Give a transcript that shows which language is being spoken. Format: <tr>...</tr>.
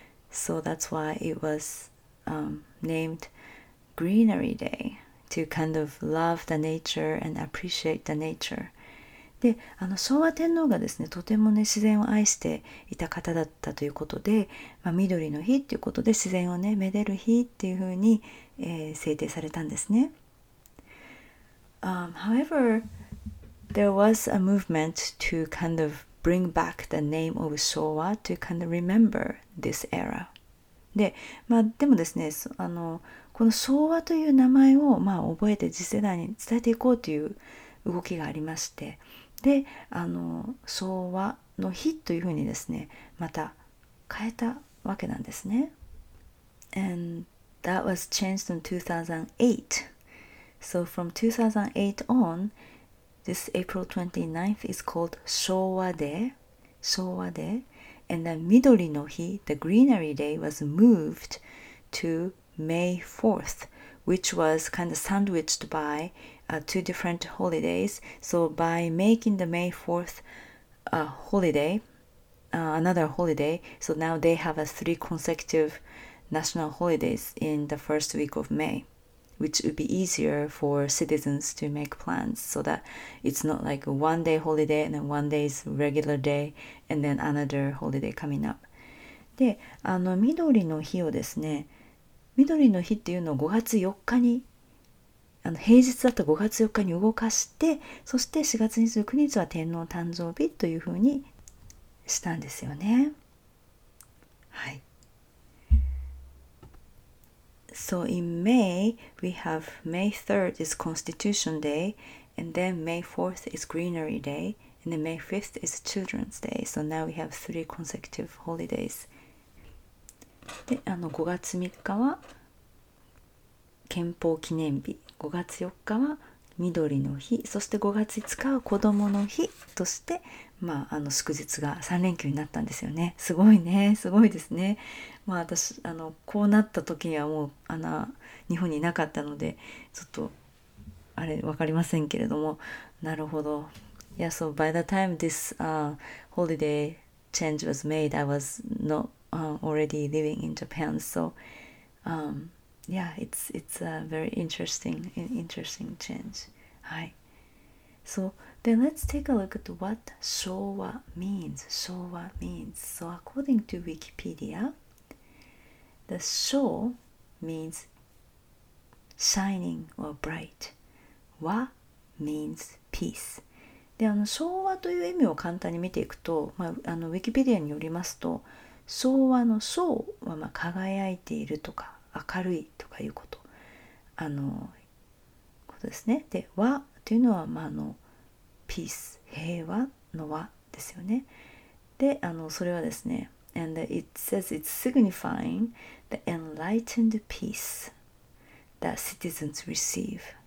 <en>So that's why it was named Greenery Day, to kind of love the nature and appreciate the nature.</en> <ja>で、あの、昭和天皇がですね、とてもね、自然を愛していた方だったということで、まあ、緑の日ということで、自然をね、めでる日っていうふうに、制定されたんですね。</ja> <en>However, there was a movement to kind of bring back the name of Showa to kind of remember this era.</en> <ja>で、まあ、でもですね、あの、この昭和という名前を、まあ、覚えて次世代に伝えていこうという動きがありまして、で、あの、昭和の日というふうにですね、また変えたわけなんですね。</ja> <en>And that was changed in 2008. So from 2008 on,This April 29th is called Showa Day, and the Midori no Hi, the Greenery Day, was moved to May 4th, which was kind of sandwiched by two different holidays. So by making the May 4th a holiday, another holiday, so now they have a three consecutive national holidays in the first week of May. which would be easier for citizens to make plans so that it's not like one day holiday and then one day's regular day and then another holiday coming up.</en> <ja>で、あの緑の日をですね、緑の日っていうのを5月4日に、あの平日だと5月4日に動かして、そして4月29日は天皇誕生日というふうにしたんですよね。はい。</ja> <en>So in May, we have May 3rd is Constitution Day, and then May 4th is Greenery Day, and then May 5th is Children's Day. So now we have three consecutive holidays.</en> <ja>で、あの5月3日は憲法記念日、5月4日は緑の日、そして5月5日は子どもの日として、まあ、あの祝日が3連休になったんですよね。すごいね、すごいですね。まあ、私あのこうなった時にはもうあの日本にいなかったのでちょっとあれ分かりませんけれども、なるほど。</ja> <en>Yeah, so by the time this、holiday change was made, I was not、already living in Japan, so、yeah, it's a very interesting change. Hi. So then let's take a look at what Shōwa means. Shōwa means. So according to Wikipedia, the Shō means shining or bright. Wa means peace.</en> <ja>で、あの昭和という意味を簡単に見ていくと、まあ、あの Wikipedia によりますと、昭和の Shō はまあ輝いているとか、明るいとかいうこと、あのことですね。で、和というのは、まあ、あのピース、平和の和ですよね。で、あのそれはですね、</ja> <en>And it says it's signifying the enlightened peace that citizens receive.</en>